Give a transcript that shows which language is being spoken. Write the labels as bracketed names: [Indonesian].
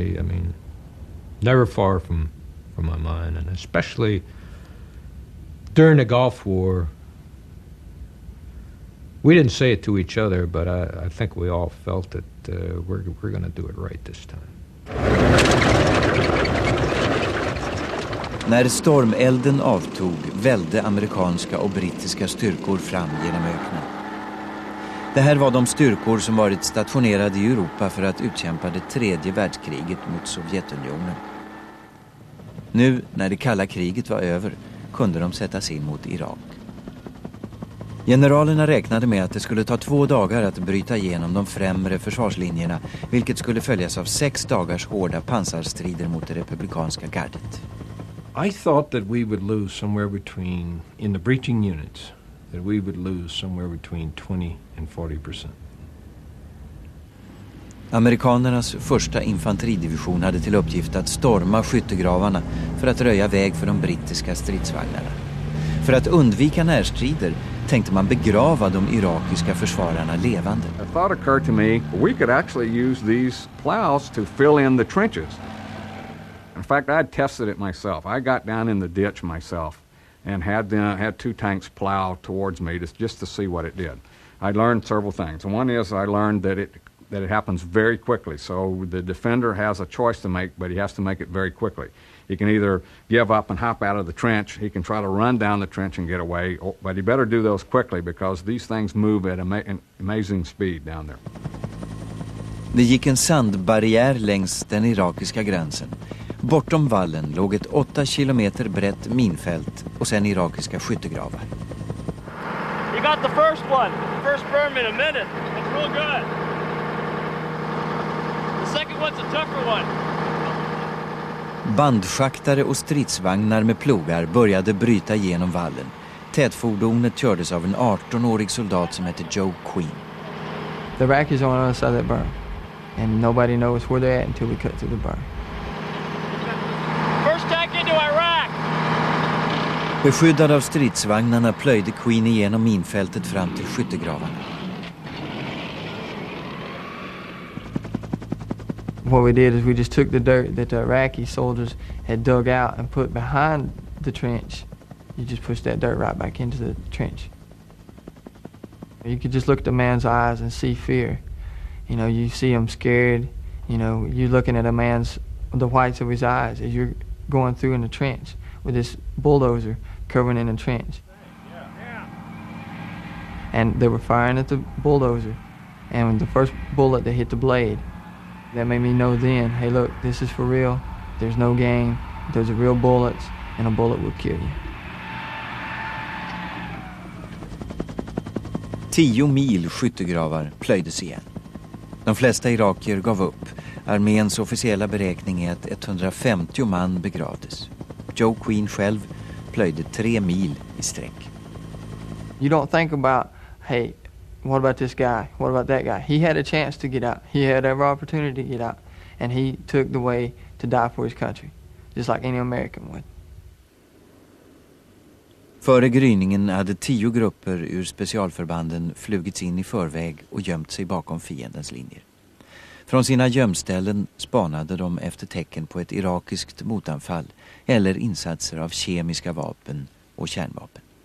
[English] I mean, never far from my mind, and especially during the Gulf War. We didn't say it to each other, but I think we all felt that we're going to do it right this time. [Swedish] När stormelden avtog välde amerikanska och brittiska styrkor fram genom öknen. Det här var de styrkor som varit stationerade i Europa för att utkämpa det tredje världskriget mot Sovjetunionen. Nu, när det kalla kriget var över, kunde de sättas in mot Irak. Generalerna räknade med att det skulle ta 2 dagar att bryta igenom de främre försvarslinjerna, vilket skulle följas av 6 dagars hårda pansarstrider mot det republikanska gardet. [English] I thought that we would lose somewhere between, in the breaching units, that we would lose somewhere between 20% and 40%. [Swedish] Amerikanernas första infanteridivision hade till uppgift att storma skyttegravarna för att röja väg för de brittiska stridsvagnarna. För att undvika närstrider tänkte man begrava de irakiska försvararna levande. [English] A thought occurred to me, we could actually use these plows to fill in the trenches. In fact, I tested it myself. I got down in the ditch myself and had 2 tanks plow towards me just to see what it did. I learned several things. One is I learned that it happens very quickly. So the defender has a choice to make, but he has to make it very quickly. He can either give up and hop out of the trench. He can try to run down the trench and get away. But he better do those quickly because these things move at amazing speed down there. [Swedish] Det gick en sandbarriär längs den irakiska gränsen. Bortom vallen låg ett 8 kilometer brett minfält och sen irakiska skyttegravar. [English] You got the first one. First berm in a minute. That's real good. The second one's a tougher one. [Swedish] Bandschaktare och stridsvagnar med plogar började bryta igenom vallen. Tätfordonet kördes av en 18-årig soldat som hette Joe Queen. [English] The Iraqis are on the side of the berm. And nobody knows where they're at until we cut through the berm. First tank into Iraq! [Swedish] Beskyddad av stridsvagnarna plöjde Queen igenom minfältet fram till skyttegravarna. [English] What we did is we just took the dirt that the Iraqi soldiers had dug out and put behind the trench. You just pushed that dirt right back into the trench. You could just look at the man's eyes and see fear. You know, you see him scared. You know, you're looking at a man's, the whites of his eyes as you're going through in the trench with this bulldozer covering in the trench. And they were firing at the bulldozer. And when the first bullet that hit the blade, that made me know then, hey, look, this is for real. There's no game. Those are real bullets, and a bullet will kill you. [Swedish] 10 mil skyttegravar plöjdes igen. De flesta irakier gav upp. Arméns officiella beräkning är att 150 man begravdes. Joe Queen själv plöjde 3 mil i sträck. [English] You don't think about, hey, what about this guy? What about that guy? He had a chance to get out. He had every opportunity to get out. And he took the way to die for his country, just like any American would. [Swedish] Före gryningen hade 10 grupper ur specialförbanden flugits in i förväg och gömt sig bakom fiendens linjer. Från sina gömställen spanade de efter tecken på ett irakiskt motanfall eller insatser av kemiska vapen och kärnvapen.